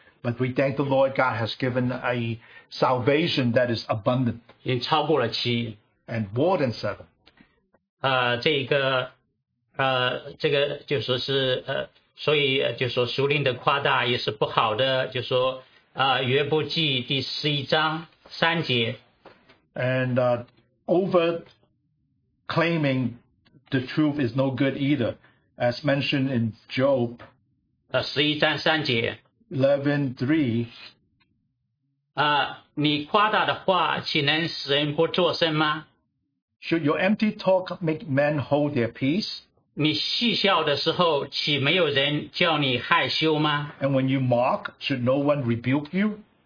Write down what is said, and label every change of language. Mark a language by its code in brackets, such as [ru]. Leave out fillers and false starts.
[en] But we thank the Lord, God has given a salvation that is abundant. [zh] 已经超过了七。 [en] And more than seven. [zh] 这个就说是所以就说属灵的夸大也是不好的，就说约伯记第十一章三节。 [en] And over claiming the truth is no good either, as mentioned in Job. [zh] 十一章三节。 [en] 11:3 [zh] 你夸大的话岂能使人不作声吗 [en] Should your empty talk make men hold their peace? [zh] 你戏笑的时候岂没有人叫你害羞吗 [en] And when you mock, should no one rebuke you?